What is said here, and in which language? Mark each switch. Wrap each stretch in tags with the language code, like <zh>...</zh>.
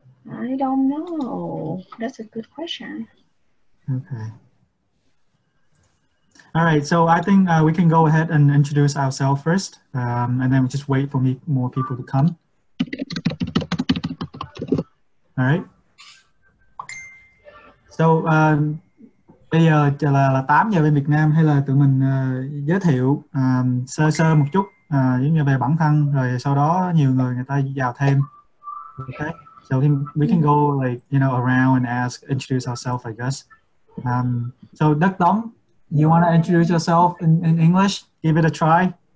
<en>I don't know. That's a good question. Okay. All right. So I think we can go ahead and introduce ourselves first, and then we just wait for more people to come. All right.</en> <vi>So bây giờ là 8 giờ bên Việt Nam, hay là tụi mình giới thiệu sơ sơ một chút, giống như về bản thân, rồi sau đó nhiều người ta vào thêm.</vi> <en>Okay. So we can go, like, you know, around and introduce ourselves, I guess. So Duc Tom, you want to introduce yourself in English? Give it a try.</en>